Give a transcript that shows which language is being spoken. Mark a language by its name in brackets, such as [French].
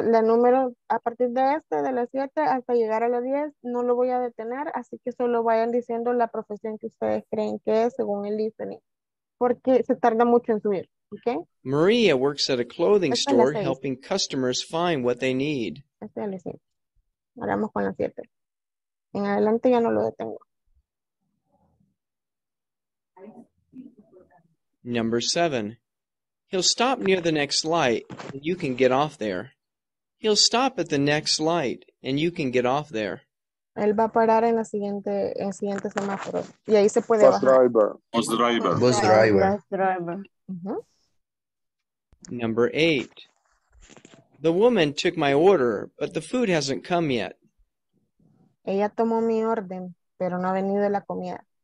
[Spanish] La número a partir de este, de las 7 hasta llegar a las 10, no lo voy a detener, así que solo vayan diciendo la profesión que ustedes creen que es según el listening, porque se tarda mucho en subir. [English] Okay. Maria works at a clothing store helping customers find what they need. [Spanish] Este es el 6. Ahora vamos con la 7. En adelante ya no lo detengo. [English] Number seven. He'll stop near the next light and you can get off there. He'll stop at the next light and you can get off there. [Spanish] Él va a parar en el siguiente semáforo. Y ahí se puede [English] bus [Spanish] bajar. [English] Bus driver. Uh-huh. Number eight. The woman took my order, but the food hasn't come yet. [Spanish] Ella tomó mi orden, pero no ha venido la comida.